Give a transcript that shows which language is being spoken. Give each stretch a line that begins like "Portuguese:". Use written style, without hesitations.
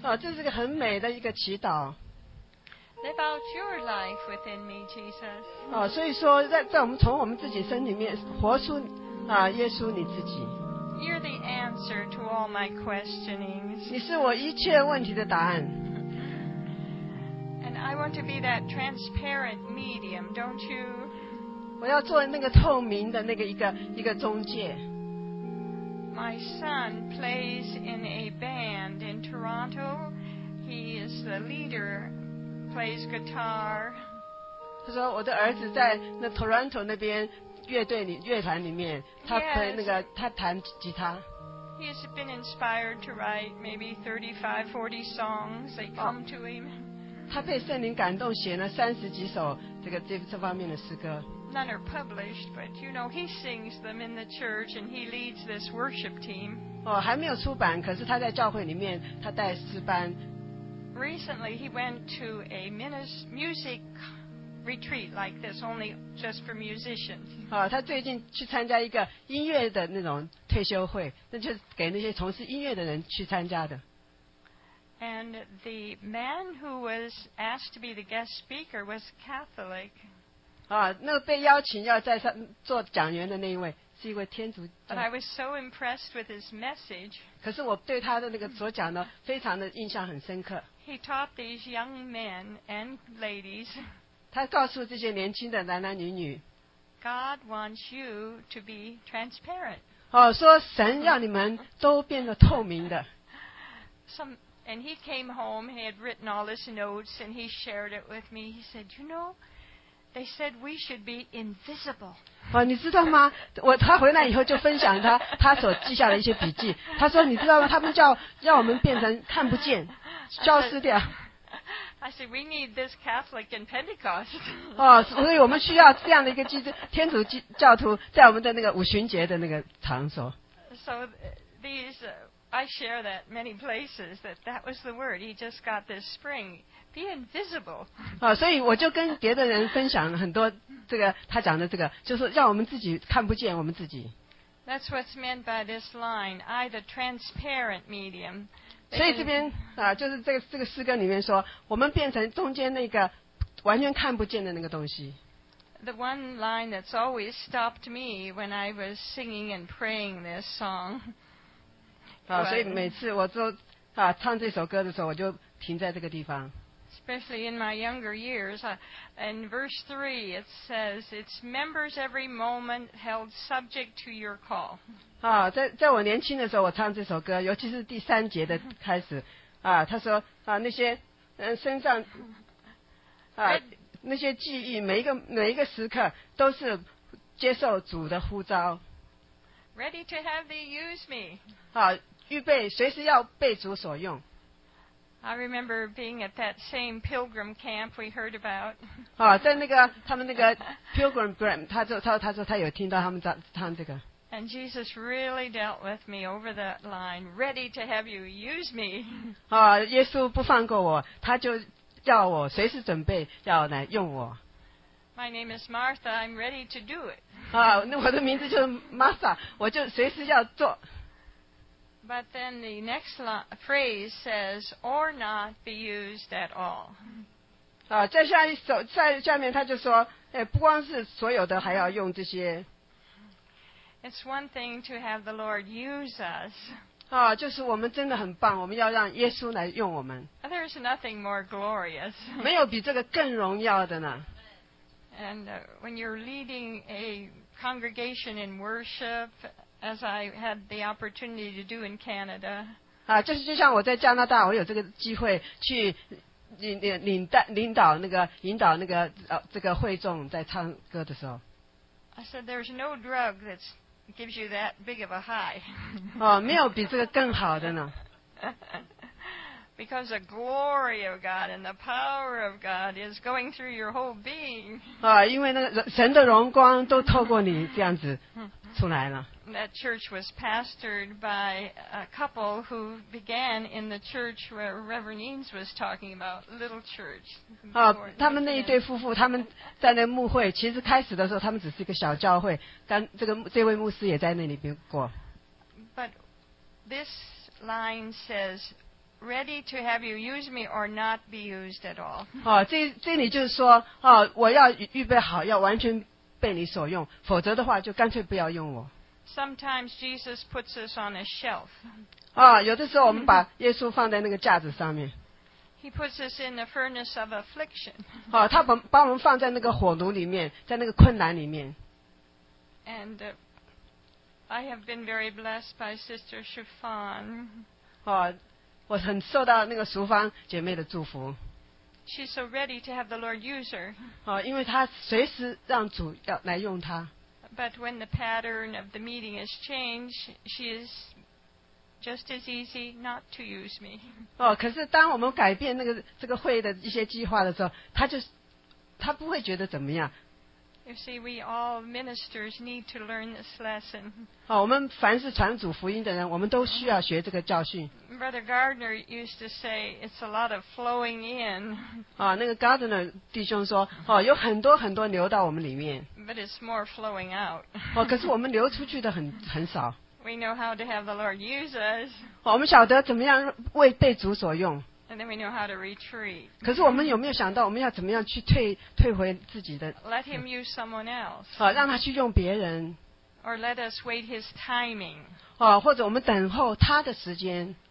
Chinese: 这是一个很美的一个祈祷。
English: Live out your life within me, Jesus.
Chinese: 所以说在我们从我们自己身里面活出耶稣你自己。
English: You're the answer to all my questionings.
Chinese: 你是我一切问题的答案。
English: And I want to be that transparent medium, don't you?
Chinese: 我要做那个透明的那个一个中介。
English: My son plays in a band in Toronto. He is the leader, plays guitar.
Chinese: 他说我的儿子在那 Toronto 那边乐队里乐团里面，他弹那个他弹吉他。
English: He has been inspired to write maybe 35, 40 songs. They come to him.
Chinese: 他被圣灵感动，写了三十几首这方面的诗歌。
English: None are published, but you know he sings them in the church and he leads this worship team.
Chinese: 哦，还没有出版，可是他在教会里面，他带诗班。
English: Recently, he went to a music retreat like this, only just for musicians.
Chinese: 哦，他最近去参加一个音乐的那种退休会，那就是给那些从事音乐的人去参加的。
English: And the man who was asked to be the guest speaker was Catholic.
Chinese: 哦，那被邀请要在上做讲员的那一位是一位天主教。
English: But I was so impressed with his message.
Chinese: 可是我对他的那个所讲的非常的印象很深刻。
English: He taught these young men and ladies.
Chinese: 他告诉这些年轻的男男女女。
English: God wants you to be transparent.
Chinese: 哦，说神要你们都变得透明的。
English: And he came home. He had written all his notes, and he shared it with me. He said, "You know, they said we should be invisible."
Chinese: 哦，你知道吗？他回来以后就分享他所记下的一些笔记。他说，你知道吗？他们叫我们变成看不见。消失掉。
English: I said we need this Catholic in Pentecost.
Chinese: 哦，所以我们需要这样的一个基督天主教徒在我们的那个五旬节的那个场所。
English: So these, I share that many places that was the word. He just got this spring. Be invisible.
Chinese: 哦，所以我就跟别的人分享很多这个他讲的这个，就是让我们自己看不见我们自己。
English: That's what's meant by this line. I the transparent medium.
Chinese: 所以这边啊，就是这个诗歌里面说，我们变成中间那个完全看不见的那个东西。
English: The one line that's always stopped me when I was singing and praying this song.
Chinese: 啊，所以每次我都啊唱这首歌的时候，我就停在这个地方。
English: Especially in my younger years, in verse 3 it says, "Its members every moment held subject to your call."
Chinese: 啊，在我年轻的时候，我唱这首歌，尤其是第三节的开始，啊，他说啊，那些身上啊那些记忆，每一个时刻都是接受主的呼召。
English: Ready to have thee use me.
Chinese: 啊，预备随时要被主所用。
English: I remember being at that same pilgrim camp we heard about.
Chinese: 啊，在那个他们那个 pilgrim camp， 他说他有听到他们唱这个。
English: And Jesus really dealt with me over that line, ready to have you use me.
Chinese: 啊，耶稣不放过我，他就叫我随时准备要来用我。
English: My name is Martha. I'm ready to do it.
Chinese: 啊，那我的名字就是 Martha， 我就随时要做。
English: But then the next phrase says, "Or not be used at all."
Chinese: 啊，在下一首，在下面他就说，哎，不光是所有的，还要用这些。
English: It's one thing to have the Lord use us.
Chinese: 啊，就是我们真的很棒，我们要让耶稣来用我们。
English: There's nothing more glorious.
Chinese: 没有比这个更荣耀的呢。
English: And when you're leading a congregation in worship. As I had the opportunity to do in Canada.
Chinese: 啊，就像我在加拿大，我有这个机会去引导那个这个会众在唱歌的时候。
English: I said there's no drug that gives you that big of a high.
Chinese: 哦，没有比这个更好的呢。
English: Because the glory of God and the power of God is going through your whole being.
Chinese: 啊，因为那个神的荣光都透过你这样子出来了。
English: That church was pastored by a couple who began in the church where Reverend Eanes was talking about, little church.
Chinese: 哦，他们那一对夫妇，他们在那牧会，其实开始的时候他们只是一个小教会，这位牧师也在那里边过。
English: But this line says, ready to have you use me or not be used at all.
Chinese: 哦，这里就是说，哦，我要预备好，要完全被你所用，否则的话就干脆不要用我。
English: Sometimes Jesus puts us on a shelf.
Chinese: 啊，有的时候我们把耶稣放在那个架子上面。
English: He puts us in the furnace of affliction.
Chinese: 啊，他把我们放在那个火炉里面，在那个困难里面。
English: And I have been very blessed by Sister Chiffon.
Chinese: 啊，我很受到那个淑芳姐妹的祝福。
English: She's so ready to have the Lord use her.
Chinese: 啊，因为她随时让主要来用她。
English: But when the pattern of the meeting has changed, she is just as easy not to use me.
Chinese: 哦，可是当我们改变那个这个会的一些计划的时候，她就她不会觉得怎么样。
English: You see, we all ministers need to learn this lesson.
Chinese: 哦，我们凡是传主福音的人，我们都需要学这个教训。
English: Brother Gardner used to say, "It's a lot of flowing in."
Chinese: 哦，那个 Gardner 弟兄说，哦，有很多很多流到我们里面。
English: But it's more flowing out.
Chinese: 哦，可是我们流出去的很少。
English: We know how to have the Lord use us.
Chinese: 哦，我们晓得怎么样为被主所用。
English: And then we know how to retreat.
Chinese: 可是我们有没有想到我们要怎么样去退回自己的
English: Let him use someone else.
Chinese: 好，让他去用别人。
English: Or let us wait his timing.
Chinese: 好，或者我们等候他的时间。